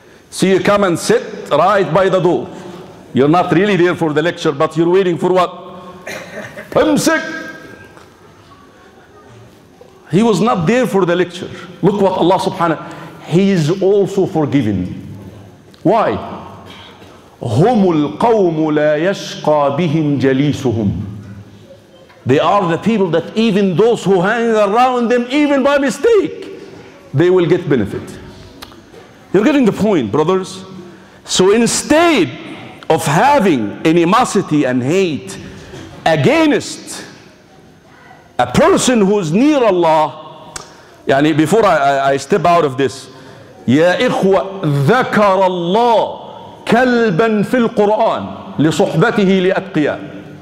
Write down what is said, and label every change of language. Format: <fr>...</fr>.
<en>So you come and sit right by the door. You're not really there for the lecture, but you're waiting for what? Pimsik! He was not there for the lecture. Look what Allah subhanahu, he is also forgiven. Why?</en> <ar>هم القوم لا يشقى بهم جليسهم.</ar> <en>They are the people that even those who hang around them, even by mistake, they will get benefit. You're getting the point, brothers. So instead of having animosity and hate against a person who's near Allah, يعني before I step out of this,</en> <ar>يا إخوة ذكر الله كلبا في القرآن لصحبته لأتقياء.</ar>